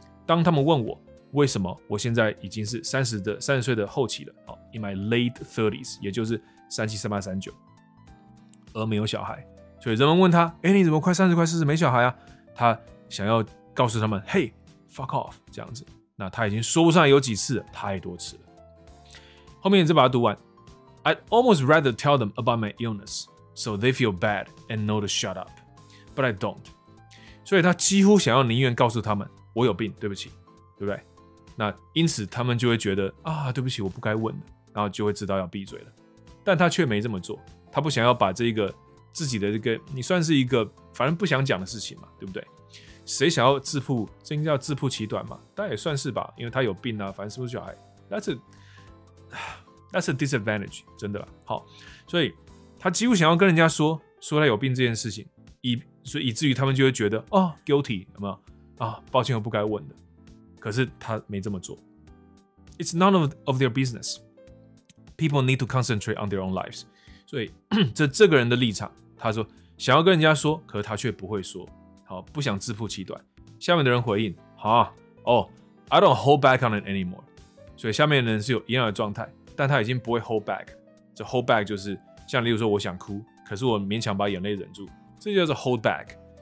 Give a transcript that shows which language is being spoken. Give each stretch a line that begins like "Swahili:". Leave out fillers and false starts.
Chinese: 当他们问我为什么我现在已经是三十岁的后期了，好 ，
English: in my late thirties，
Chinese: 也就是37、38、39，而没有小孩，所以人们问他，哎、欸，你怎么快30、快40没小孩啊？他想要告诉他们，嘿 ，
English: fuck off，
Chinese: 这样子。那他已经说不上来有几次了，太多次了。后面你再把它读完。
English: I'd almost rather tell them about my illness so they feel bad and know to shut up, but I don't.
Chinese: 所以他几乎想要宁愿告诉他们我有病，对不起，对不对？那因此他们就会觉得啊，对不起，我不该问的，然后就会知道要闭嘴了。但他却没这么做，他不想要把这个自己的这个你算是一个反正不想讲的事情嘛，对不对？谁想要自曝？这应该叫自曝其短嘛？但也算是吧，因为他有病啊，反正是不是小孩 ？
English: That's a disadvantage，
Chinese: 真的啦。好，所以他几乎想要跟人家说他有病这件事情，以至于他们就会觉得哦 guilty， 有没有啊？抱歉，我不该问的。可是他没这么做。
English: It's none of their business. People need to concentrate on their own lives.
Chinese: 所以这个人的立场，他说想要跟人家说，可是他却不会说。好，不想自曝其短。下面的人回应：哈、啊、哦、
English: oh, ，I don't hold back on it anymore。
Chinese: 所以下面的人是有一样的状态，但他已经不会 hold back。这 hold back 就是像例如说我想哭，可是我勉强把眼泪忍住，这就叫做 hold back。